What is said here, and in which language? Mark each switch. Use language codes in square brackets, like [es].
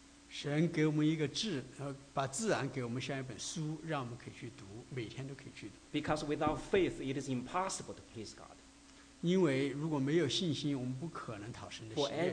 [zh] 神给我们一个自把自然给我们像一本书，让我们可以去读，每天都可以去读。 [en] Because without faith, it is impossible to please God. [zh] 因为如果没有信心，我们不可能讨神的喜悦。